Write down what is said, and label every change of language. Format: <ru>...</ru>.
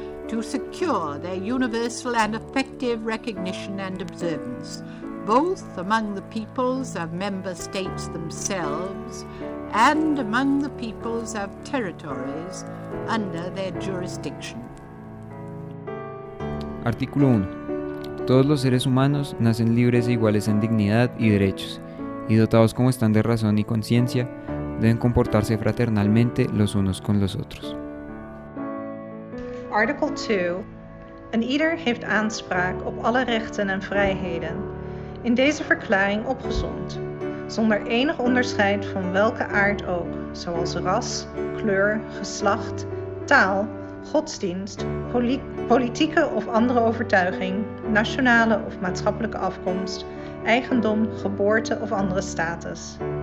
<en>to secure their universal and effective recognition and observance, both among the peoples of member states themselves and among the peoples of territories under their jurisdiction.</en> <es>Artículo 1. Todos los seres humanos nacen libres e iguales en dignidad y derechos, y dotados como están de razón y conciencia, deben comportarse fraternalmente los unos con los otros.</es> <nl>Artikel 2. Een ieder heeft aanspraak op alle rechten en vrijheden, in deze verklaring opgesomd, zonder enig onderscheid van welke aard ook, zoals ras, kleur, geslacht, taal, godsdienst, politieke of andere overtuiging, nationale of maatschappelijke afkomst, eigendom, geboorte of andere status.</nl>